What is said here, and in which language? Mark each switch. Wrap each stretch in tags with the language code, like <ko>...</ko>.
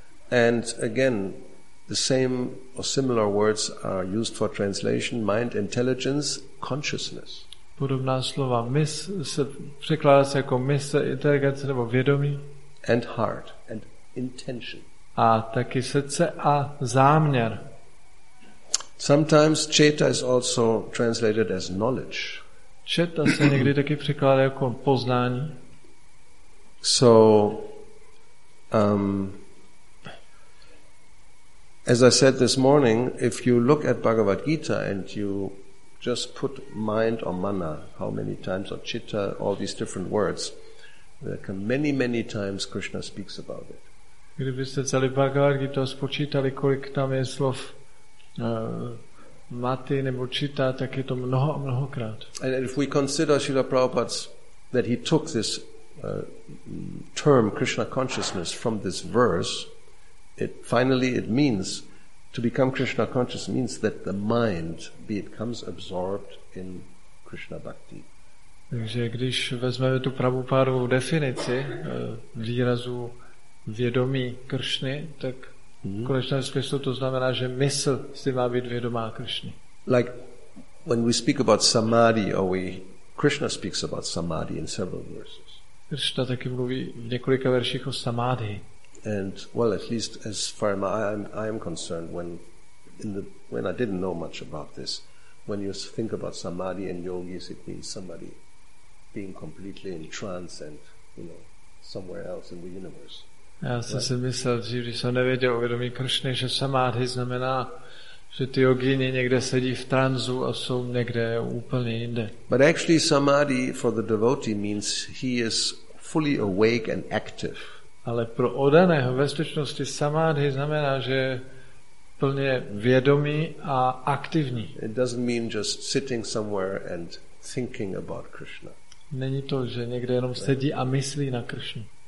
<en>And again, the same or similar words are used for translation: mind, intelligence, consciousness.</en> <cs>Podobná slova mysl se překládá se jako mysl, inteligence nebo vědomí.</cs> <en>And heart and intention.</en> <cs>A taky srdce a záměr.</cs> <en>Sometimes citta is also translated as knowledge.</en> <cs>Citta se někdy taky překládá jako poznání.</cs> <en>So, as I said this morning, if you look at Bhagavad Gita and you just put mind or mana, how many times, or citta, all these different words, there can many, many times Krishna speaks about it.</en> <cs>Kdybyste celý Bhagavad Gita spočítali, kolik tam je slov maty nebo citta, tak je to mnoho a mnohokrát.</cs> <en>And if we consider Srila Prabhupada's, that he took this term Krishna consciousness from this verse, it means to become Krishna conscious means that the mind becomes absorbed in Krishna bhakti.</en> <cs>Takže když vezmeme tu Prabhupádovou definici výrazu vědomí Kršny, tak v konečném smyslu to znamená, že mysl si má být vědomá Kršny.</cs> <en>Like when we speak about samadhi, or we Krishna speaks about samadhi in several verses.</en> <cs>Kršna taky mluví v několika verších o samadhi.</cs> <en>And well, at least as far as I am concerned, when I didn't know much about this, when you think about samadhi and yogis, it means somebody being completely in trance and, you know, somewhere else in the universe.</en> <cs>Já jsem si myslel, dřív, když jsem nevěděl o vědomí Kršny, že samadhi znamená, že ty jogíni někde sedí v tranzu a jsou někde úplně jinde.</cs> <en>But actually, samadhi for the devotee means he is fully awake and active.</en> <cs>Ale pro oddaného ve skutečnosti samadhi znamená, že je plně vědomý a aktivní.</cs> <en>It doesn't mean just sitting somewhere and thinking about Krishna.</en> <cs>Není to, že někde jenom sedí a myslí na Kršnu.</cs>